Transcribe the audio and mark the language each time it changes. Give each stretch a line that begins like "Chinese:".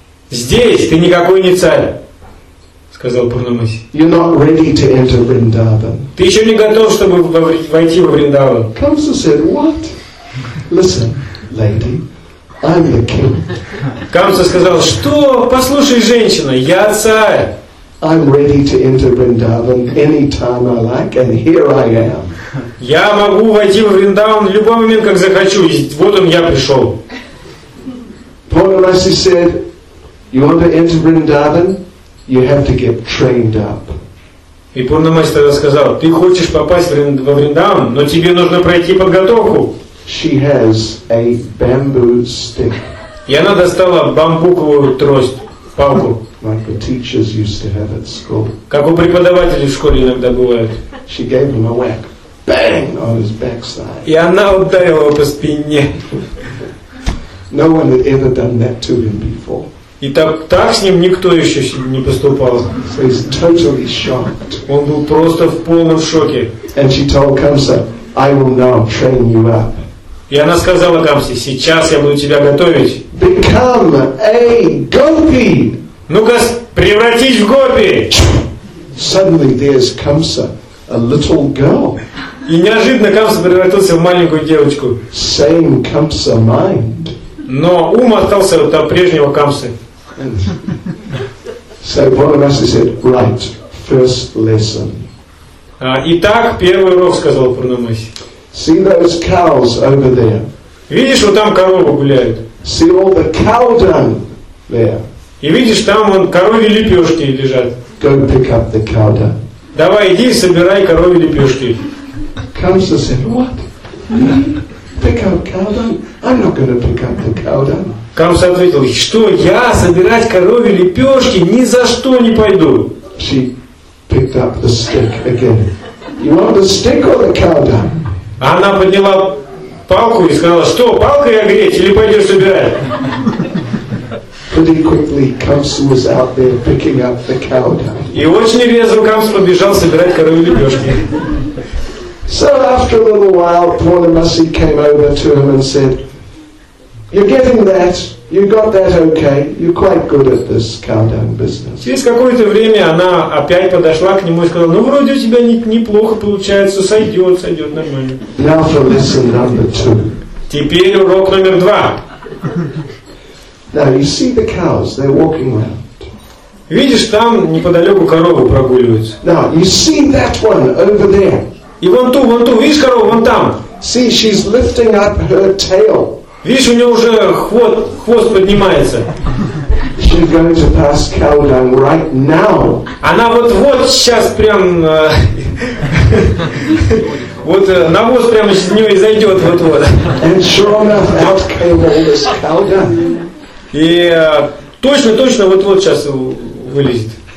Russian: Здесь ты никакой не царь, сказал Пурнамаси.
English: You're not ready to enter Vrindavan.
Russian: Ты еще не готов, чтобы войти во Вриндаван.
English: Камса said, "What? Listen, lady, I'm the king."
Russian: Камса сказал: "Что? Послушай, женщина, я царь.
English: I'm ready to enter Vrindavan any time I like, and here I am."
Russian: Я могу войти во Вриндаван в любой момент, как захочу. И вот он, я пришел.
English: Пурнамаси said, "You want to enter Vrindavan? You have to get trained up."
Russian: И Пурнамаси тогда сказал: "Ты хочешь попасть во Вриндаван, но тебе нужно пройти подготовку."
English: She has a bamboo stick.
Russian: И она достала бамбуковую трость, палку.
English: Like the teachers used to have at school.
Russian: Как у преподавателей в школе иногда бывает.
English: She gave him a whack. Bang on his backside.
Russian: И она ударила его по спине.
English: No one had ever done that to him before.
Russian: И так с ним никто еще не поступал.
English: So he's totally shocked.
Russian: Он был просто в полном шоке.
English: And she told Kamsa, "I will now train you up."
Russian: И она сказала Камсе: "Сейчас я буду тебя готовить."
English: Become a gopi.
Russian: Ну-ка, превратись в гопи.
English: Suddenly there's Kamsa, a little girl.
Russian: И неожиданно Камса превратился в маленькую девочку.
English: Same Kamsa mind.
Russian: Но ум остался от прежнего Камсы.
English: So Purnamasi said, "Right, first lesson."
Russian: Итак, первый урок, сказал Пурнамаси.
English: See those cows over there.
Russian: Видишь, вот там коровы гуляют.
English: See all the cow dung there.
Russian: И видишь, там вон коровьи лепешки лежат.
English: Go pick up the cow dung.
Russian: Давай, иди, собирай коровьи лепешки.
English: Камса said, "What? Pick up cow dung? I'm not going to pick up the cow dung."
Russian: Камса ответил: "Что, я собирать коровьи лепешки ни за что не пойду."
English: She picked up the stick again. "You want the stick or the cow dung?"
Russian: Она подняла палку и сказала: "Что, палкой огреть или пойдешь собирать?"
English: Pretty quickly, Kamsa was out there picking up the cow dung.
Russian: И очень резво Камса побежал собирать коровьи лепешки.
English: So after a little while, Pornamasi came over to him and said, "You're getting that. You got that okay. You're quite good at this cow dung business."
Russian: Через какое-то время она опять подошла к нему и сказала: "Ну, вроде у тебя неплохо получается, сойдет нормально."
English: Now for lesson number two.
Russian: Теперь урок номер два.
English: Now you see the cows, they're walking around.
Russian: Видишь, там неподалеку коровы прогуливаются.
English: Now you see that one over there.
Russian: И вон ту, видишь корову, вон там.
English: See, she's lifting up her tail.
Russian: Видишь, у нее уже хвост поднимается.
English: She's going to pass cow dung right now.
Russian: Она вот-вот сейчас прям... Вот навоз прямо с нее и зайдет вот-вот.
English: And sure enough, out came all this cow dung.
Russian: И точно вот-вот сейчас вылезет.